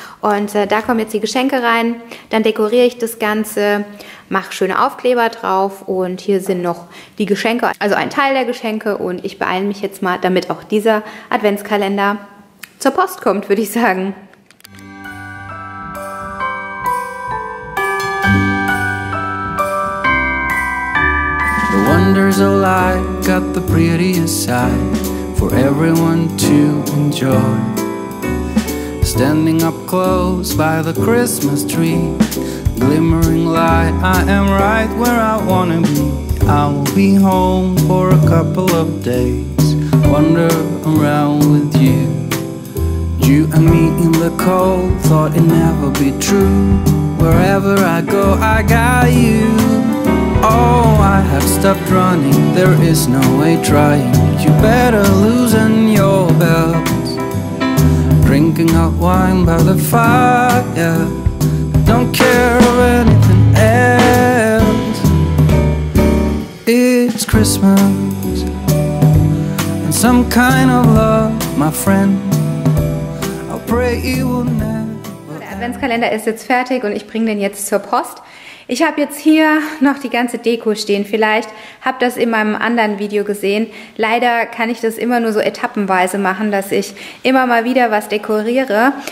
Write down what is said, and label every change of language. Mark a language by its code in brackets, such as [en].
[de] Und da kommen jetzt die Geschenke rein, dann dekoriere ich das Ganze, mache schöne Aufkleber drauf und hier sind noch die Geschenke, also ein Teil der Geschenke und ich beeile mich jetzt mal, damit auch dieser Adventskalender zur Post kommt, würde ich sagen. [en] The wonders of life got the prettiest side for everyone to enjoy. Standing up close by the Christmas tree, glimmering light, I am right where I wanna be. I will be home for a couple of days, wander around with you. You and me in the cold, thought it'd never be true. Wherever I go, I got you. Oh, I have stopped running, there is no way trying. You better loosen your belt. Drinking hot wine by the fire, don't care of anything else. It's Christmas and some kind of love, my friend. I'll pray it will never. [de] Der Adventskalender ist jetzt fertig und ich bringe den jetzt zur Post. Ich habe jetzt hier noch die ganze Deko stehen. Vielleicht habt ihr das in meinem anderen Video gesehen. Leider kann ich das immer nur so etappenweise machen, dass ich immer mal wieder was dekoriere.